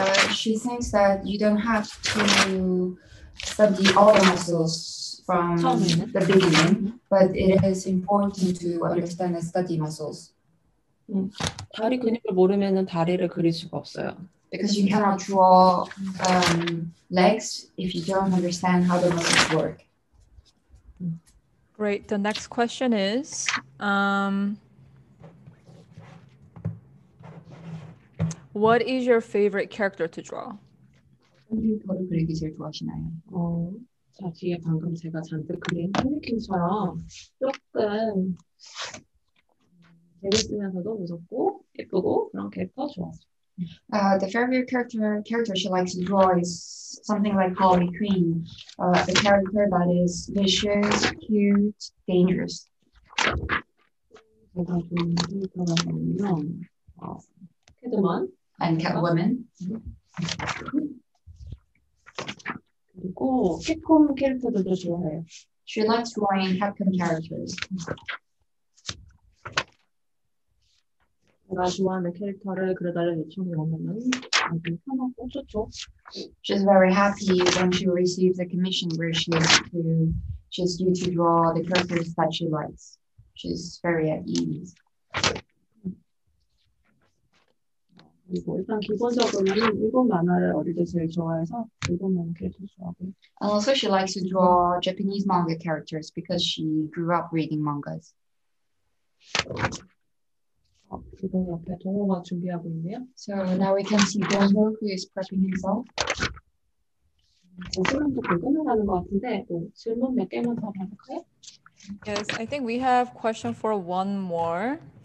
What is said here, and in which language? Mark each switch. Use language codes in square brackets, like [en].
[en] She thinks that you don't have to study all the muscles from [ko] 처음에는? [en] the beginning, but it is important to understand and study muscles. [ko] 다리 근육을 모르면은 다리를 그릴 수가 없어요. [en] Because you cannot draw legs if you don't understand how the muscles work. Great. The next question is, what is your favorite character to draw? [ko] 캐릭터를 그리기 제일 좋아하시나요? 자 뒤에 방금 제가 잔뜩 그린 캐릭터처럼 조금 재밌으면서도 무섭고 예쁘고 그런 캐릭터 좋아하세요. [en] The favorite character she likes to draw is something like Harley Quinn. A character that is vicious, cute, dangerous. [ko] 제가 좀 생각하면 캐드먼 [en] and Catwoman. [ko] 그리고 캡콤 캐릭터들도 좋아해요. [en] She likes drawing Capcom characters. [ko] 제가 좋아하는 캐릭터를 그려달라고 요청이 오면은 아주 편하고 좋죠. [en] She's very happy when she receives a commission where she has to just you to draw the characters that she likes. She's very at ease. [ko] 그리고 일단 기본적으로는 일본 만화를 어릴 때 제일 좋아해서 일본 만화 캐릭터 좋아하고. [en] And also she likes to draw Japanese manga characters because she grew up reading mangas. [ko] 지금 옆에 동호가 준비하고 있네요. [en] So now we can see Dongho who is prepping himself. [ko] 질문도 끝나가는 것 같은데 질문 몇 개만 더 받을까요? [en] Yes, I think we have question for one more.